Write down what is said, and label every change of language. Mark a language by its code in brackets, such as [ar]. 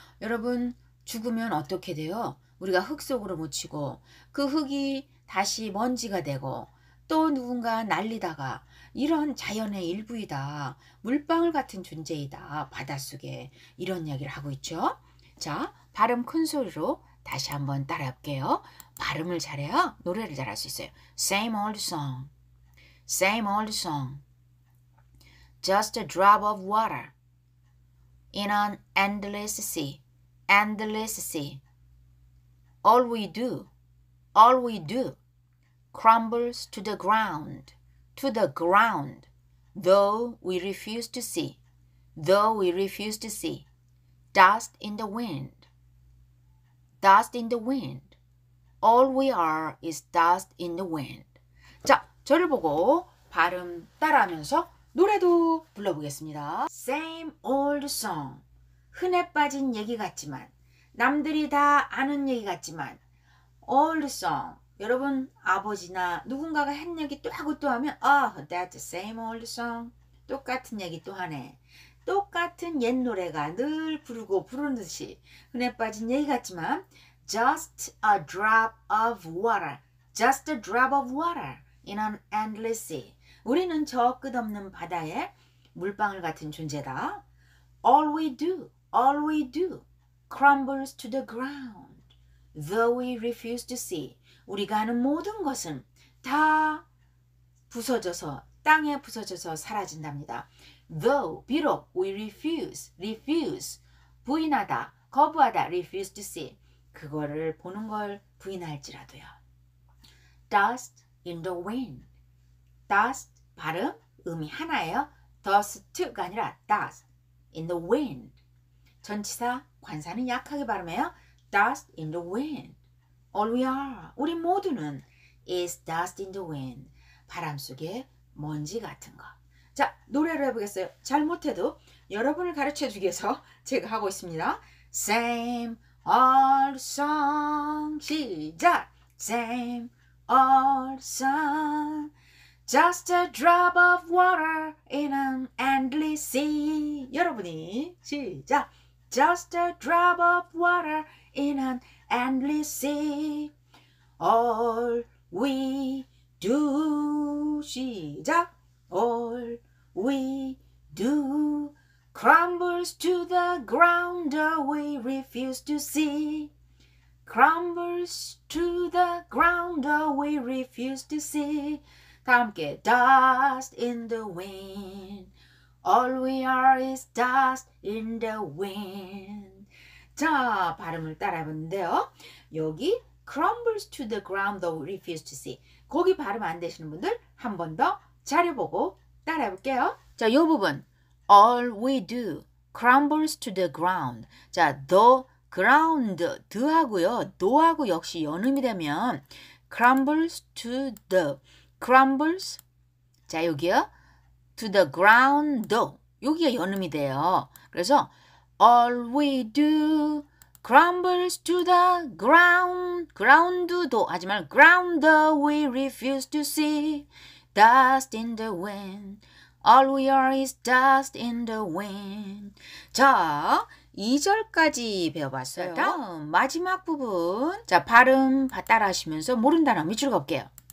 [ko] 여러분, 죽으면 어떻게 돼요? 우리가 흙 속으로 묻히고 그 흙이 다시 먼지가 되고 또 누군가 날리다가 이런 자연의 일부이다. 물방울 같은 존재이다. 바닷속에 이런 이야기를 하고 있죠. 자, 발음 큰 소리로 다시 한번 따라 할게요. 발음을 잘해야 노래를 잘할 수 있어요. [en] Same old song. Same old song. Just a drop of water in an endless sea. Endless sea. All we do. All we do crumbles to the ground. To the ground. Though we refuse to see. Though we refuse to see. Dust in the wind. Dust in the wind. All we are is dust in the wind. [ko] 자, 저를 보고 발음 따라하면서 노래도 불러보겠습니다. [en] Same old song. [ko] 흔해 빠진 얘기 같지만 남들이 다 아는 얘기 같지만 [en] old song. [ko] 여러분 아버지나 누군가가 한 얘기 또 하고 또 하면 [en] that's the same old song. [ko] 똑같은 얘기 또 하네. 똑같은 옛 노래가 늘 부르고 부르듯이 흔해 빠진 얘기 같지만 [en] Just a drop of water. Just a drop of water in an endless sea. [ko] 우리는 저 끝없는 바다에 물방울 같은 존재다. [en] All we do, all we do crumbles to the ground. Though we refuse to see. [ko] 우리가 하는 모든 것은 다 부서져서 땅에 부서져서 사라진답니다. Though, 비록, [en] we refuse, [ko] 부인하다, 거부하다, [en] refuse to see, [ko] 그거를 보는 걸 부인할지라도요. [en] Dust in the wind. [ko] Dust, 발음, 음이 하나예요. [en] Dust가 아니라 dust in the wind. [ko] 전치사, 관사는 약하게 발음해요. [en] Dust in the wind. All we are, [ko] 우리 모두는 [en] is dust in the wind. [ko] 바람 속에 먼지 같은 거. 자, 노래를 해보겠어요. 잘못해도 여러분을 가르쳐주기 위해서 제가 하고 있습니다. [en] Same old song. [ko] 시작! [en] Same old song. Just a drop of water in an endless sea. [ko] 여러분이 시작! [en] Just a drop of water in an endless sea. All we do. [ko] 시작! [en] All we do crumbles to the ground, we refuse to see. crumbles to the ground we refuse to see. [ko] 다 함께 [en] dust in the wind. All we are is dust in the wind. [ko] 자, 발음을 따라해보는데요. [en] 여기 crumbles to the ground we refuse to see. [ko] 거기 발음 안 되시는 분들 한 번 더 자료 보고 따라해볼게요. 자, 요 부분. [en] All we do crumbles to the ground. 자, the ground, the 하고요. [ko] do 하고 역시 연음이 되면 [en] crumbles to the, crumbles, [ko] 자, 여기요. [en] to the ground, the. [ko] 여기가 연음이 돼요. 그래서 [en] all we do crumbles to the ground, ground, the. 하지만 ground, the we refuse to see, dust in the wind. All we are is dust in the wind. [ko] 자, 2절까지 배워봤어요. 다음 마지막 부분. 자, 발음 따라 하시면서 모른다는 밑줄 걸게요.